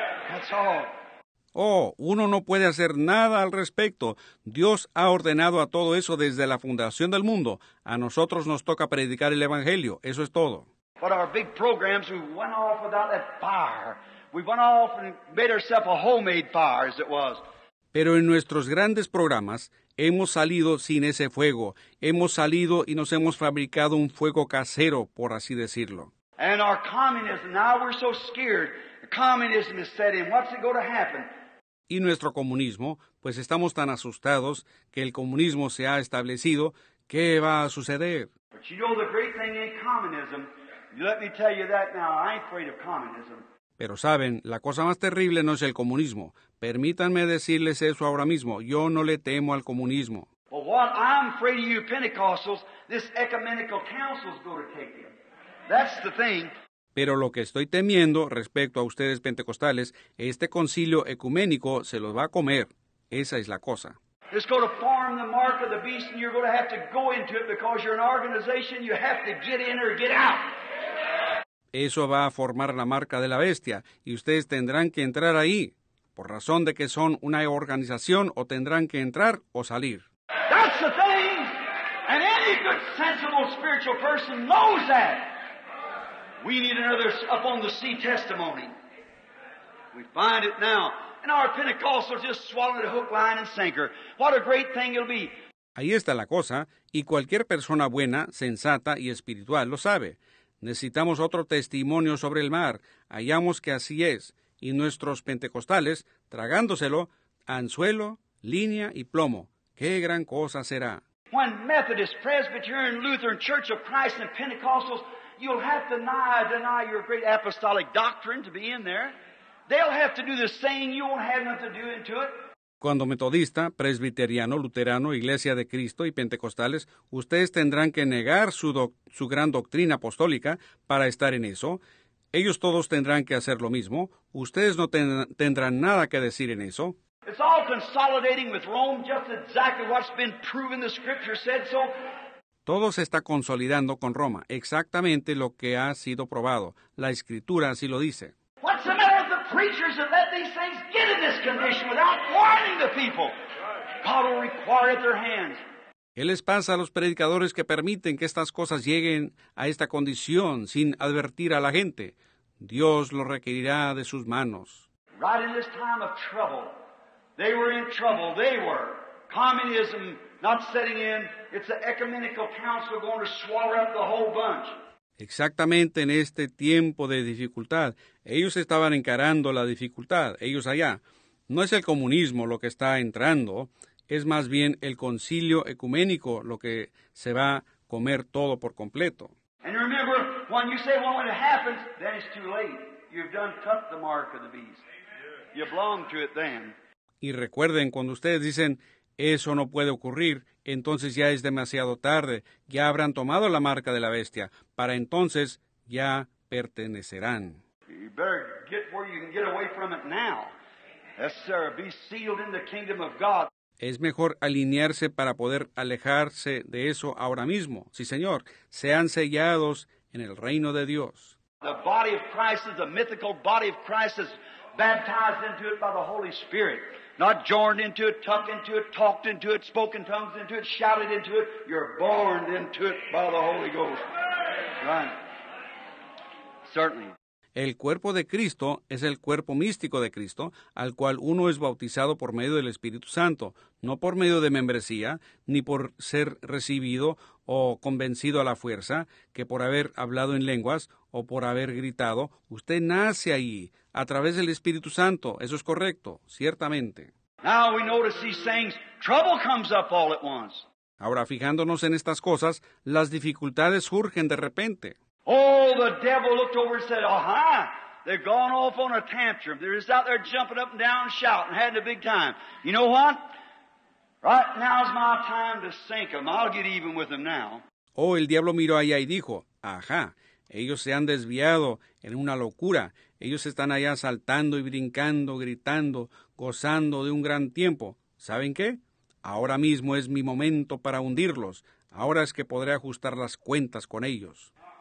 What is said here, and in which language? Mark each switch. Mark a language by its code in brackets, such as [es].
[en] That's all. [es] Oh, uno no puede hacer nada al respecto. Dios ha ordenado a todo eso desde la fundación del mundo. A nosotros nos toca predicar el Evangelio. Eso es todo. [en] But our big programs, we went off without that fire. We went off and made ourselves a homemade fire, as it was. [es] Pero en nuestros grandes programas, hemos salido sin ese fuego. Hemos salido y nos hemos fabricado un fuego casero, por así decirlo. [en] And our communism, now we're so scared. Communism is set in. What's it going to happen? [es] Y nuestro comunismo, pues estamos tan asustados que el comunismo se ha establecido. ¿Qué va a suceder? [en] But you know the great thing in communism. Let me tell you that now. I ain't afraid of communism. [es] Pero saben, la cosa más terrible no es el comunismo. Permítanme decirles eso ahora mismo. Yo no le temo al comunismo. [en] But what I'm afraid of, you Pentecostals, this ecumenical council is going to take you. That's the thing. [es] Pero lo que estoy temiendo respecto a ustedes pentecostales, este concilio ecuménico se los va a comer. Esa es la cosa. [en] It's going to form the mark of the beast and you're going to have to go into it because you're an organization, you have to get in or get out. [es] Eso va a formar la marca de la bestia y ustedes tendrán que entrar ahí por razón de que son una organización o tendrán que entrar o salir. [en] That's the thing. And any good sensible spiritual person knows that. We need another up on the sea testimony. We find it now. And our Pentecostals just swallowed a hook, line, and sinker. What a great thing it'll be. [es] Ahí está la cosa, y cualquier persona buena, sensata y espiritual lo sabe. Necesitamos otro testimonio sobre el mar. Hallamos que así es. Y nuestros pentecostales, tragándoselo, anzuelo, línea y plomo. ¡Qué gran cosa será! [en] When Methodist, Presbyterian, Lutheran, Church of Christ, and Pentecostals, you'll have to deny your great apostolic doctrine to be in there. They'll have to do the same. You won't have nothing to do into it. [es] Cuando metodista, presbiteriano, luterano, iglesia de Cristo y pentecostales, ustedes tendrán que negar su gran doctrina apostólica para estar en eso. Ellos todos tendrán que hacer lo mismo. Ustedes no tendrán nada que decir en eso. [en] It's all consolidating with Rome, just exactly what's been proven the scripture said so. [es] Todo se está consolidando con Roma, exactamente lo que ha sido probado. La Escritura así lo dice. [en] What's the matter with the preachers that let these things get in this condition without warning the people? God will require at their hands. [es] ¿Qué les pasa a los predicadores que permiten que estas cosas lleguen a esta condición sin advertir a la gente? Dios lo requerirá de sus manos. [en] Right in this time of trouble, they were in trouble, they were. Communism not setting in, it's the ecumenical council going to swallow up the whole bunch. [es] Exactamente en este tiempo de dificultad, ellos estaban encarando la dificultad, ellos allá. No es el comunismo lo que está entrando, es más bien el concilio ecuménico lo que se va a comer todo por completo. [en] And remember, when you say, well, when it happens, then it's too late. You've done cut the mark of the beast. You belong to it then. [es] Y recuerden, cuando ustedes dicen, eso no puede ocurrir, entonces ya es demasiado tarde, ya habrán tomado la marca de la bestia, para entonces ya pertenecerán. [en] You better get where you can get away from it now. Yes, sir, be sealed in the kingdom of God. [es] Es mejor alinearse para poder alejarse de eso ahora mismo. Sí, señor, sean sellados en el reino de Dios. [en] The body of Christ is a mythical body of Christ is baptized into it by the Holy Spirit. Not joined into it, tucked into it, talked into it, spoken tongues into it, shouted into it. You're born into it by the Holy Ghost. Right. Certainly. [es] El cuerpo de Cristo es el cuerpo místico de Cristo, al cual uno es bautizado por medio del Espíritu Santo, no por medio de membresía, ni por ser recibido o convencido a la fuerza, que por haber hablado en lenguas o por haber gritado. Usted nace ahí, a través del Espíritu Santo. Eso es correcto, ciertamente. [en] Now we notice these things, trouble comes up all at once. [es] Ahora, fijándonos en estas cosas, las dificultades surgen de repente. [en] Oh, the devil looked over and said, aha, they've gone off on a tantrum. They're just out there jumping up and down and shouting, having a big time. You know what? Right now's my time to sink them. I'll get even with them now. [es] Oh, el diablo miró allá y dijo, aha, ellos se han desviado en una locura. Ellos están allá saltando y brincando, gritando, gozando de un gran tiempo. ¿Saben qué? Ahora mismo es mi momento para hundirlos. Ahora es que podré ajustar las cuentas con ellos.